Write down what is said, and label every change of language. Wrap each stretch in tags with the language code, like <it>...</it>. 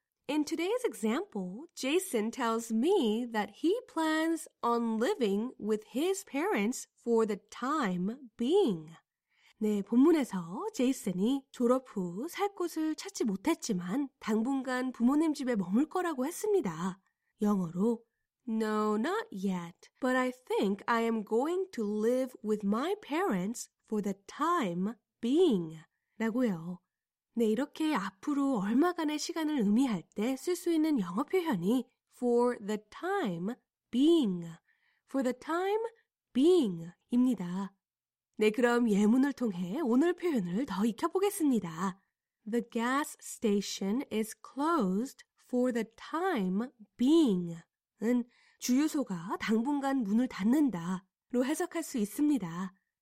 <en>In today's example, Jason tells me that he plans on living with his parents for the time being.</en> <ko>네, 본문에서 제이슨이 졸업 후 살 곳을 찾지 못했지만 당분간 부모님 집에 머물 거라고 했습니다. 영어로</ko> <en>No, not yet, but I think I am going to live with my parents for the time being</en> <ko>라고요. 네, 이렇게 앞으로 얼마간의 시간을 의미할 때 쓸 수 있는 영어 표현이</ko> <en>for the time being, for the time being</en> <ko>입니다. 네, 그럼 예문을 통해 오늘 표현을 더 익혀보겠습니다.</ko> <en>The gas station is closed for the time being.</en> <ko>은 주유소가 당분간 문을 닫는다로 해석할 수 있습니다.</ko>